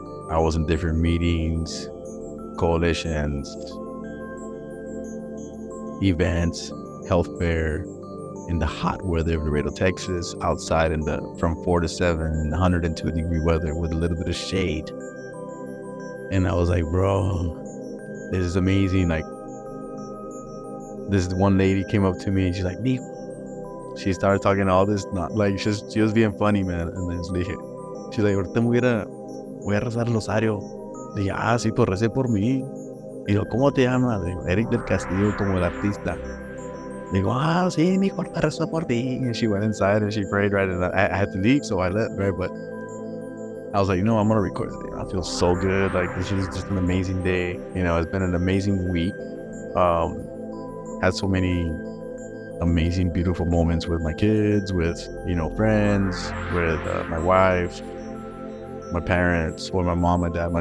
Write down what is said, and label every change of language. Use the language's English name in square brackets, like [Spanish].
[English] I was in different meetings, coalitions, events, health fair, in the hot weather of Laredo, Texas, outside in the from 4 to 7, 102 degree weather with a little bit of shade. And I was like, bro, this is amazing. Like, this one lady came up to me and she's like, meep. She started talking all this, not like, she was being funny, man. And then she hit. She's like, [Spanish] ahorita me voy a rezar el rosario. Dije, ah, sí, pues recé por mí. Digo, ¿cómo te llamas? Digo, Eric del Castillo, como el artista. Digo, ah, sí, mi corta rezó por ti. [English] And she went inside and she prayed, right? And I had to leave, so I left, right? But I was like, you know, I'm going to record this day. I feel so good. Like, this is just an amazing day. You know, it's been an amazing week. Had so many amazing, beautiful moments with my kids, with, you know, friends, with my wife, my parents, or my mom, my dad.